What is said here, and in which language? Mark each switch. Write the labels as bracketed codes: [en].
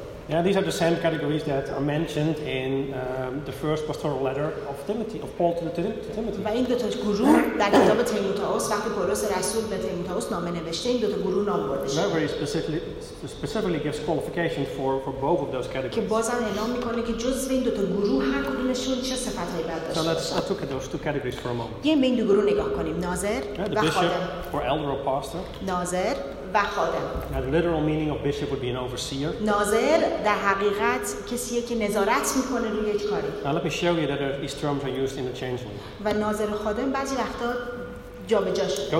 [en] Yeah, these are the same categories that are mentioned in the first pastoral letter of Timothy, of Paul to Timothy. [fa] و این دو تا گروه در کتاب تیموتائوس وقتی پولس رسول به تیموتائوس نامه نوشته این دو تا گروه نام برده شده. [en] Very specifically gives qualifications for both of those categories. [fa] که بازم اعلام میکنه که جزء این دو تا گروه هر کدومشون چه صفاتی برداشت. [en] So let's look at those two categories for a moment. [fa] یه به این دو گروه نگاه کنیم، ناظر و خادم. [en] Or elder or pastor. [fa] ناظر و خادم. [en] Now, the literal meaning of bishop would be an overseer. [fa] ناظر در حقیقت کسیه که نظارت میکنه روی یک کاری. [en] Now, let me show you that these terms are used interchangeably. [fa] و ناظر و خادم بعضی وقتا جا به جا شده.